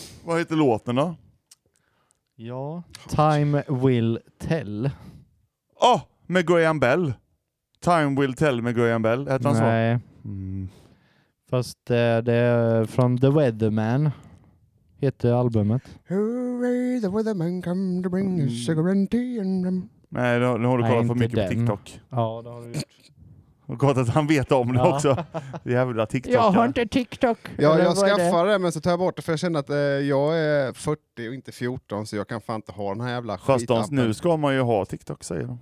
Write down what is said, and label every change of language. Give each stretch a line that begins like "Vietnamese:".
Swedish: Vad heter låten då? Ja, Time Will Tell. Åh, med Graham Bell. Time Will Tell med Graham Bell, heter han så? Nej. Fast det är från The Weatherman. Heter albumet.
English: Hooray, the weatherman come to bring a sugar and tea and rum.
Swedish: Nej, nu har du kollat för mycket den. På TikTok. Ja, det har du gjort. Och gott att han vet om det också. Jävla TikTok. Jag har inte TikTok. Ja, jag skaffar det men så tar jag bort det. För jag känner att jag är 40 och inte 14. Så jag kan fan inte ha den här jävla skitappen. Fast nu ska man ju ha TikTok, säger de.